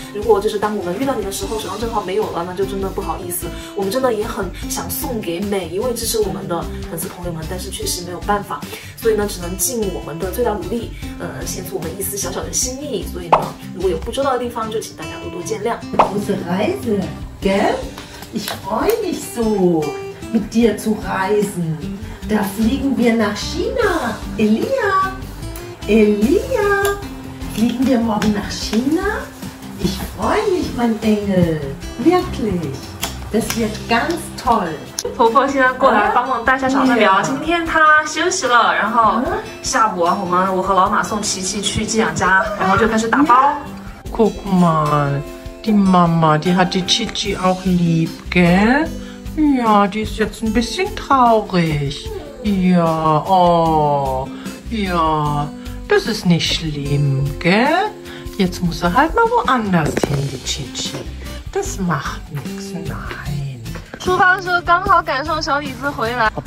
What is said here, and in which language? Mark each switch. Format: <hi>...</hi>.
<zh>如果就是当我们遇到你的时候手上正好没有了，那就真的不好意思。我们真的也很想送给每一位支持我们的粉丝朋友们，但是确实没有办法，所以呢只能尽我们的最大努力，献出我们一丝小小的心意。所以呢如果有不周到的地方就请大家多多见谅。我是孩子</zh> <de>gell ich freue mich so mit dir zu reisen, da fliegen wir nach China. Elia, fliegen wir morgen nach China? Ich freue mich, mein Engel. Wirklich. Das wird ganz toll.</de> <zh>婆婆现在过来帮忙带一下小蒜苗，今天她休息了，然后下午我和老马送琪琪去寄养家，然后就开始打包。</zh> <de>Guck mal, die Mama, die hat die Chichi auch lieb, gell? Ja, die ist jetzt ein bisschen traurig. Ja, oh, ja. Das ist nicht schlimm, gell? Jetzt muss er halt mal woanders hin, die Chichi. Das macht nichts, nein.</de> <zh>出发的时候刚好赶上小李子回来。</zh>